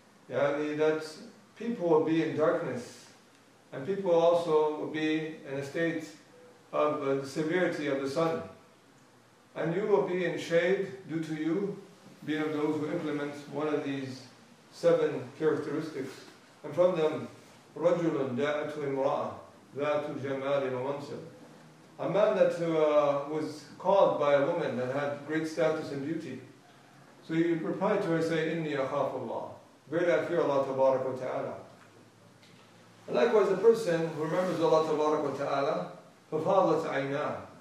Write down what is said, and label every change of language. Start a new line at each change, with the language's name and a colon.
English: Yani that people will be in darkness, and people also will be in a state of the severity of the sun. And you will be in shade due to you being of those who implement one of these seven characteristics. And from them,
Arabic: رَجُلٌ دَاعَتُ إِمْرَأَ ذَاتُ جَمَالٍ وَمَنْسَبٍ.
English: A man that was called by a woman that had great status and beauty. So he replied to her, say,
Arabic: إِنِّي أَخَافُ اللَّهِ.
English: Verily, I fear Allah tabarak wa ta'ala. And likewise, a person who remembers Allah tabarak wa ta'ala,
Arabic: فَفَاضَتْ عَيْنَاهُ.